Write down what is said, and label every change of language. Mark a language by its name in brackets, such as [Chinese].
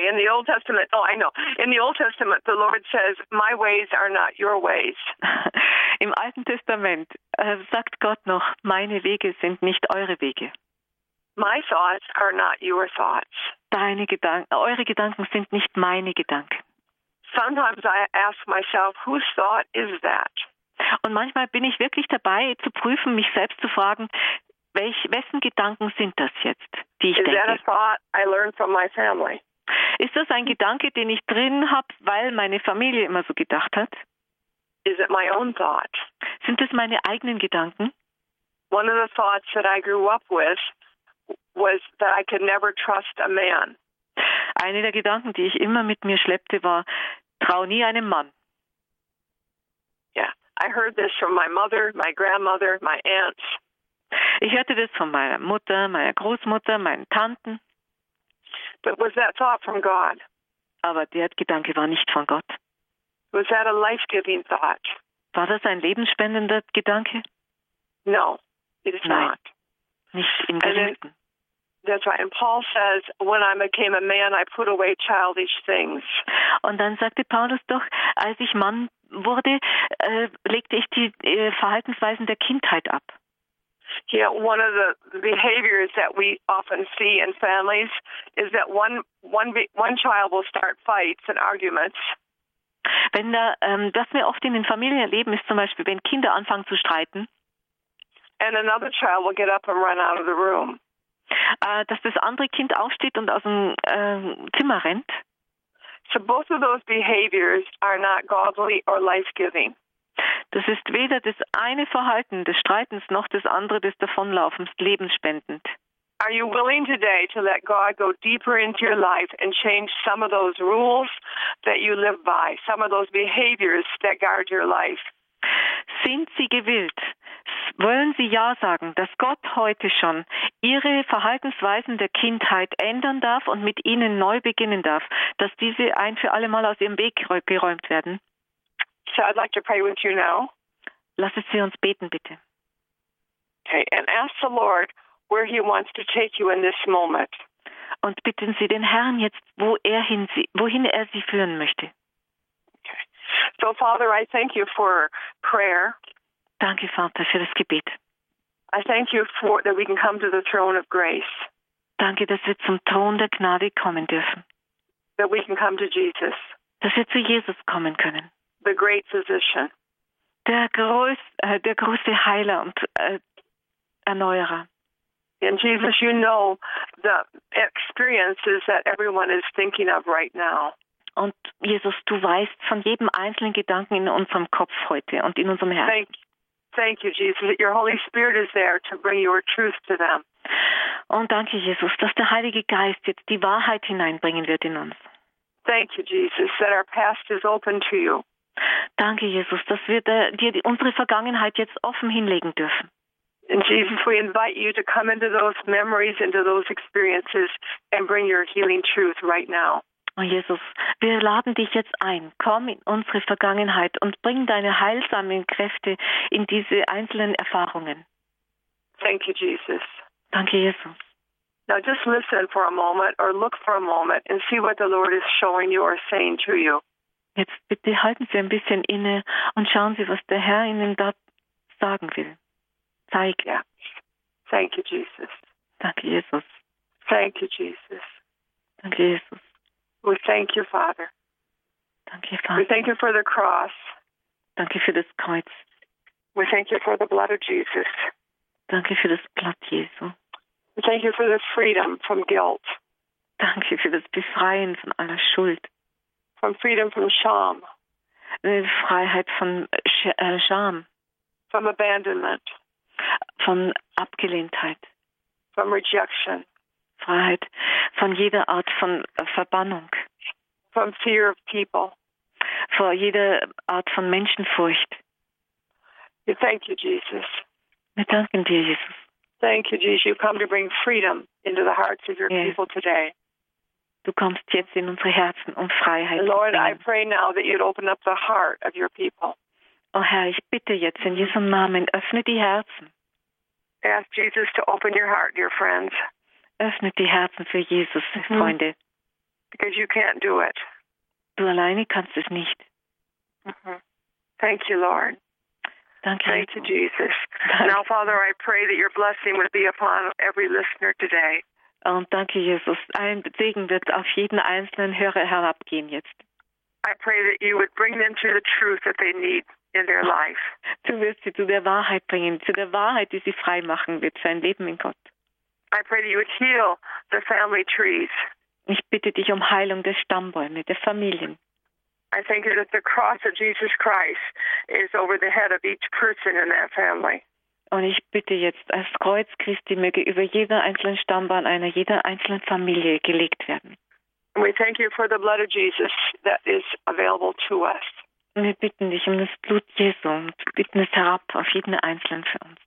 [English] In the Old Testament, the Lord says, my ways are not your ways. [German] Im Alten Testament sagt Gott noch, meine Wege sind nicht eure Wege. [English] My thoughts are not your thoughts. [German] Eure Gedanken sind nicht meine Gedanken. [English] Sometimes I ask myself, whose thought is that? [German] Und manchmal bin ich wirklich dabei zu prüfen, mich selbst zu fragen, wessen Gedanken sind das jetzt, die ich [English] is [German] denke? [English] That a thought I learned from my family? [German] Ist das ein Gedanke, den ich drin habe, weil meine Familie immer so gedacht hat? [English] Is it my own thought? [German] Sind das meine eigenen Gedanken? [English] One of the thoughts that I grew up with was that I could never trust a man. [German] Eine der Gedanken, die ich immer mit mir schleppte, war, trau nie einem Mann. [English] Yeah, I heard this from my mother, my grandmother, my aunts. [German] Ich hörte das von meiner Mutter, meiner Großmutter, meinen Tanten. [English] But was that thought from God? [German] Aber der Gedanke war nicht von Gott. [English] Was that a life-giving thought? [German] War das ein lebensspendender Gedanke? [English] No, it is [German] Nein. [English] not. [German] Nicht im Geringsten. [English] That's right. And Paul says, when I became a man, I put away childish things. [German] Und dann sagte Paulus doch, als ich Mann wurde, legte ich die Verhaltensweisen der Kindheit ab. [English] Yeah, one of the behaviors that we often see in families is that one child will start fights and arguments. [German] Wenn da, das wir oft in den Familien erleben, ist zum Beispiel, wenn Kinder anfangen zu streiten. [English] And another child will get up and run out of the room. [German] Dass das andere Kind aufsteht und aus dem Zimmer rennt. [English] So both of those behaviors are not godly or life-giving. [German] Das ist weder das eine Verhalten des Streitens noch das andere des Davonlaufens lebensspendend. [English] Are you willing today to let God go deeper into your life and change some of those rules that you live by, some of those behaviors that guard your life? [German] Sind Sie gewillt? Wollen Sie ja sagen, dass Gott heute schon Ihre Verhaltensweisen der Kindheit ändern darf und mit Ihnen neu beginnen darf, dass diese ein für alle Mal aus Ihrem Weg geräumt werden? [English] So I'd like to pray with you now. [German] Lassen Sie uns beten, bitte. [English] Okay, and ask the Lord where he wants to take you in this moment. [German] und bitten Sie den Herrn jetzt, wohin er Sie führen möchte. [English] Okay. So, Father, I thank you for prayer. [German] Danke, Vater, für das Gebet. [English] I thank you for that we can come to the throne of grace. [German] Danke, dass wir zum Thron der Gnade kommen dürfen. [English] That we can come to Jesus. [German] Dass wir zu Jesus kommen können. [English] The great physician. [German] Der große Heiler und Erneuerer. [English] And Jesus, you know the experiences that everyone is thinking of right now. [German] Und Jesus, du weißt von jedem einzelnen Gedanken in unserem Kopf heute und in unserem Herzen. [English] Thank you, Jesus, that your Holy Spirit is there to bring your truth to them. [German] Und danke, Jesus, dass der Heilige Geist jetzt die Wahrheit hineinbringen wird in uns. [English] Thank you, Jesus, that our past is open to you. [German] Danke, Jesus, dass wir dir unsere Vergangenheit jetzt offen hinlegen dürfen. [English] And Jesus, we invite you to come into those memories, into those experiences, and bring your healing truth right now. [German] Oh Jesus, wir laden dich jetzt ein. Komm in unsere Vergangenheit und bring deine heilsamen Kräfte in diese einzelnen Erfahrungen. [English] Thank you, Jesus. [German] Danke, Jesus. [English] Now just listen for a moment or look for a moment and see what the Lord is showing you or saying to you. [German] Jetzt bitte halten Sie ein bisschen inne und schauen Sie, was der Herr Ihnen da sagen will. Zeig. [English] Yeah. Thank you, Jesus. [German] Danke, Jesus. [English] Thank you, Jesus. [German] Danke, Jesus. [English] We thank you, Father. [German] Danke, Vater. [English] We thank you for the cross. [German] Danke für das Kreuz. [English] We thank you for the blood of Jesus. [German] Danke für das Blut Jesu. [English] We thank you for the freedom from guilt. [German] Danke für das Befreien von aller Schuld. [English] From freedom from Scham. [German] Freiheit von Scham. [English] From abandonment. [German] Von Abgelehntheit. [English] From rejection. [German] Freiheit von jeder Art von Verbannung. [English] From fear of people. [German] Vor jeder Art von Menschenfurcht. [English] We thank you, Jesus. [German] Wir danken dir, Jesus. [English] Thank you, Jesus. You come to bring freedom into the hearts of your people today. [German] Du kommst jetzt in unsere Herzen, um Freiheit zu bringen. [English] Lord, I pray now that you'd open up the heart of your people. [German] Oh Herr, ich bitte jetzt in Jesu Namen, öffne die Herzen. [English] Ask Jesus to open your heart, dear friends. [German] Öffnet die Herzen für Jesus, Freunde. [English] Because you can't do it. [German] Du alleine kannst es nicht. [English] Mm-hmm. Thank you, Lord. [German] Danke. [English] Thank you, Jesus. [German] Danke. [English] Now, Father, I pray that your blessing would be upon every listener today. [German] Und danke, Jesus. Ein Segen wird auf jeden einzelnen Hörer herabgehen jetzt. [English] I pray that you would bring them to the truth that they need in their life. [German] Du wirst sie zu der Wahrheit bringen, zu der Wahrheit, die sie frei machen wird für ein Leben in Gott. [English] I pray that you would heal the family trees. [German] Ich bitte dich um Heilung der Stammbäume, der Familien. [English] I thank you that the cross of Jesus Christ is over the head of each person in that family. [German] Und ich bitte jetzt, als Kreuz Christi möge über jeder einzelnen Stammbaum einer jeder einzelnen Familie gelegt werden. [English] We thank you for the blood of Jesus that is available to us. [German] Wir bitten dich um das Blut Jesu und bitten es herab auf jeden Einzelnen für uns.